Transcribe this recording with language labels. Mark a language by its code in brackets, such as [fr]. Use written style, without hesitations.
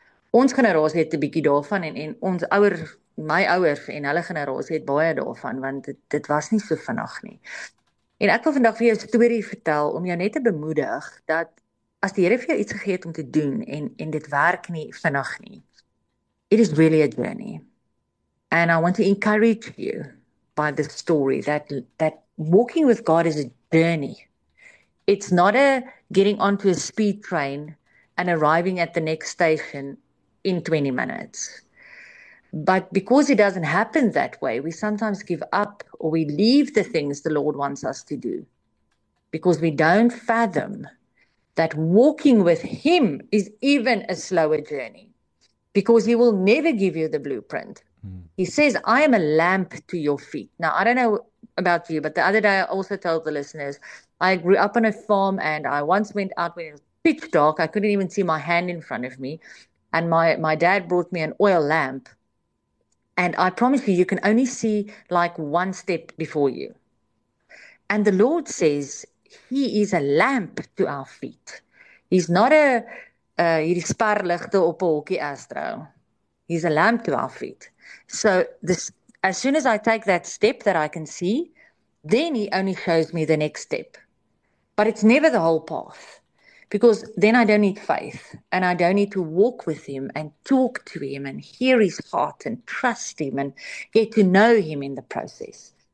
[af] Ons generasie het 'n bietjie daarvan en ons ouers, my ouers en hulle generasie het baie daarvan, want dit was nie so vinnig nie. En ek wil vandag vir jou 'n storie vertel om jou net te bemoedig dat as die Here vir jou iets gegee het om te doen en dit werk nie vinnig nie. [en] It is really a journey. And I want to encourage you by the story that walking with God is a journey. It's not a getting onto a speed train and arriving at the next station in 20 minutes. But because it doesn't happen that way, we sometimes give up or we leave the things the Lord wants us to do because we don't fathom that walking with Him is even a slower journey because He will never give you the blueprint. He says, I am a lamp to your feet. Now, I don't know about you, but the other day I also told the listeners, I grew up on a farm and I once went out when it was pitch dark. I couldn't even see my hand in front of me. And my dad brought me an oil lamp. And I promise you, you can only see like one step before you. And the Lord says, He is a lamp to our feet. He's not [af] hierdie sparligte op 'n hokkie astro. [en] He's a lamp to our feet. So this, as soon as I take that step that I can see, then He only shows me the next step. But it's never the whole path. Because then I don't need faith. And I don't need to walk with Him and talk to Him and hear His heart and trust Him and get to know Him in the process.